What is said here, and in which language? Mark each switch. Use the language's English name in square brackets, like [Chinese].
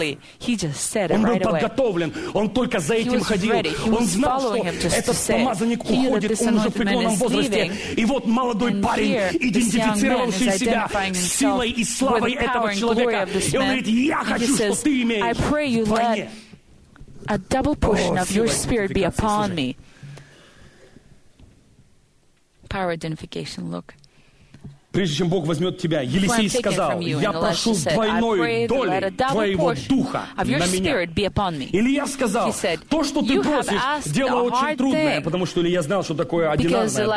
[Russian] Он был подготовлен. Он только за этим ходил. Он знал, что этот помазанник уходит. Он уже в преклонном возрасте. И вот молодой парень, идентифицировавший себя силой и славой этого человека, и он говорит, я хочу, что ты имеешь в войне. [English] A double portion of your spirit be upon me. Power identification, look. [Russian] Прежде чем Бог возьмет тебя, Елисей сказал, я прошу двойной доли твоего духа на меня. Илия сказал, то, что ты просишь, дело очень трудное, потому что Илия знал, что такое одинарная